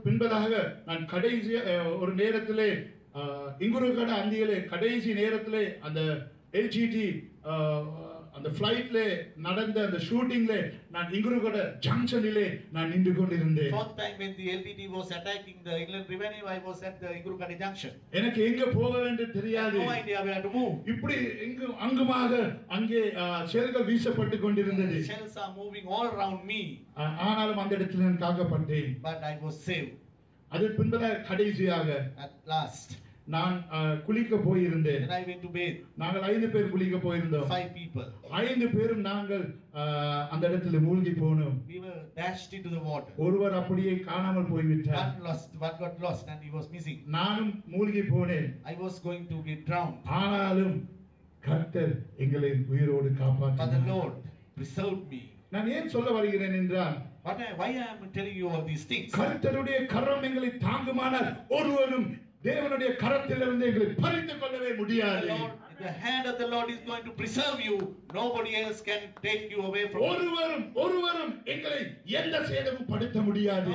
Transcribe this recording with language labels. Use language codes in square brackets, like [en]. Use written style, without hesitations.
[ta] பின்பதாக நான் கடைசி ஒரு நேரத்திலே இங்குரு கட அந்தியிலே கடைசி நேரத்திலே அந்த எல்ஜிடி அந்த ஃப்ளைட்லே நடந்த அந்த ஷூட்டிங்லே நான் இங்குருகட ஜங்ஷனிலே நான் நின்று கொண்டிருந்தேன் [en] fourth time when the LTT was attacking the England revenue I was at the [ta] இங்குருகட junction எனக்கு எங்க போக வேண்டும் தெரியாது [en] no idea where to move [ta] இப்படி எங்க அங்குமாக அங்கே ஷெல்கள் வீசப்பட்டு கொண்டிருந்தது [en] shells are moving all around me [ta] ஆனாலும் அந்த இடத்துல நான் காக்கப்பட்டேன் [en] but I was save [ta] அது பின்பற கடைசியாக [en] at last [ta] நான் குளிக்க போய் இருந்தேன் [en] and I went to bathe [ta] நாங்கள் ஐந்து பேர் குளிக்க போய் இருந்தோம் [en] five people [ta] ஐந்து பேரும் நாங்கள் அந்த இடத்துல மூழ்கி போனோம் [en] we were dashed into the water [ta] ஒருவர் அப்படியே காணாமல் போய் விட்டார் [en] one got lost and he was missing [ta] நானும் மூழ்கி போனேன் [en] I was going to get drowned [ta] ஆனாலும் கர்த்தர் எங்களை உயிரோடு காப்பாற்றினார் [en] but the lord preserved me [ta] நான் ஏன் சொல்ல வருகிறேன் என்றால் [en] but why I am telling you all these things [ta] கர்த்தருடைய கரம் எங்களை தாங்குமானால் ஒருவரும் தேவனுடைய கரத்திலிருந்து எங்களை பறித்துக் கொள்ளவே முடியாது [en] the hand of the lord is going to preserve you nobody else can take you away from [ta] ஒருவரும் எங்களை எந்த சேதமும் படுத்த முடியாது